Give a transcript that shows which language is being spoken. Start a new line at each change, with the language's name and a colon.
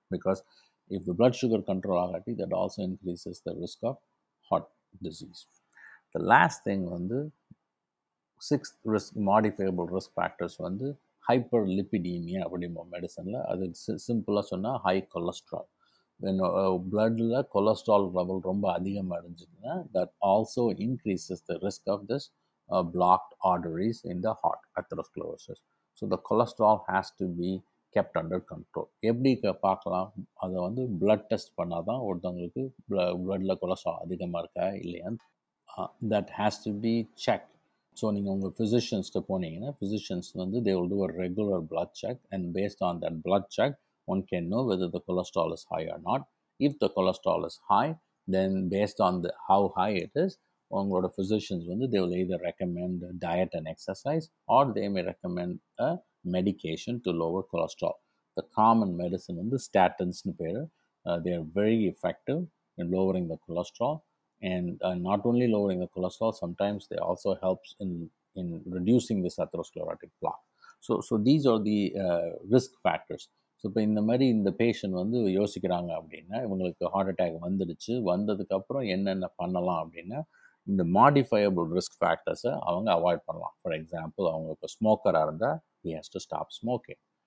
English: Because if the blood sugar control
Tamil: agati,
English: that also increases the risk of heart disease. The last thing on the sixth risk, modifiable risk factors on the hyperlipidemia, medicine, simple as on high cholesterol.
Tamil: பிளட்ல cholesterol level ரொம்ப அதிகமாக இருந்துச்சுன்னா,
English: That also increases the risk of this blocked arteries in the heart, atherosclerosis. So the cholesterol has to be kept under control.
Tamil: எப்படி பார்க்கலாம்? அதை வந்து blood test பண்ணால் தான் ஒருத்தவங்களுக்கு பிளட்ல கொலஸ்ட்ரால் அதிகமாக இருக்கா இல்லையான்னு,
English: That has to be check. So
Tamil: நீங்கள் உங்கள் ஃபிசிஷியன்ஸ்கிட்ட போனீங்கன்னா, ஃபிசிஷியன்ஸ் வந்து
English: They will do a regular blood check, and based on that blood check one can know whether the cholesterol is high or not. If the cholesterol is high, then based on the how high it is, one lot of physicians when they will either recommend diet and exercise, or they may recommend a medication to lower cholesterol. The common medicine in the statins
Tamil: nu peru,
English: they are very effective in lowering the cholesterol, and not only lowering the cholesterol, sometimes they also helps in reducing this atherosclerotic plaque. So these are the risk factors.
Tamil: So இப்போ இந்த மாதிரி இந்த patient வந்து யோசிக்கிறாங்க அப்படின்னா, இவங்களுக்கு heart attack வந்துடுச்சு, வந்ததுக்கப்புறம் என்னென்ன பண்ணலாம் அப்படின்னா, இந்த மாடிஃபையபிள் ரிஸ்க் ஃபேக்டர்ஸை அவங்க அவாய்ட் பண்ணலாம்.
English: for example,
Tamil: அவங்க இப்போ ஸ்மோக்கராக இருந்தால்
English: He has to stop smoking.